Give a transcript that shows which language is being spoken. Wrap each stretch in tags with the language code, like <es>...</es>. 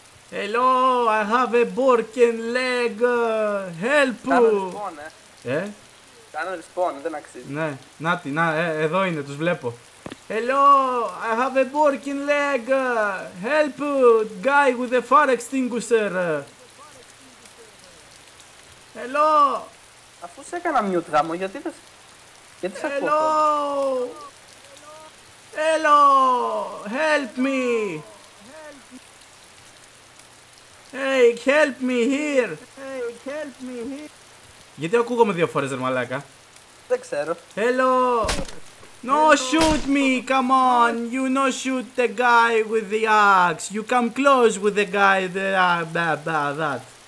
<en>Hello, I have a broken leg. Help!</en> <el>Κάνω respawn, ε. Ε? Κάνω respawn, δεν αξίζει. Ναι, νάτι, να, εδώ είναι, τους βλέπω.</el> <en>Hello, I have a broken leg. Help, guy with a fire extinguisher. Hello.</en> <el>Αφού σε έκανα mute, γάμο, γιατί δεν γιατί σε</el> <en>hello.</en> <el>Ακούω.</el> <en>Hello. Help me. Hey, help me here! Hey, help me here!</en> <el>Γιατί ακούγομαι δύο φορές, ρε μαλάκα? Δεν ξέρω.</el> <en>Hello! No, hello. Shoot me! Come on! You no shoot the guy with the axe! You come close with the guy that...</en>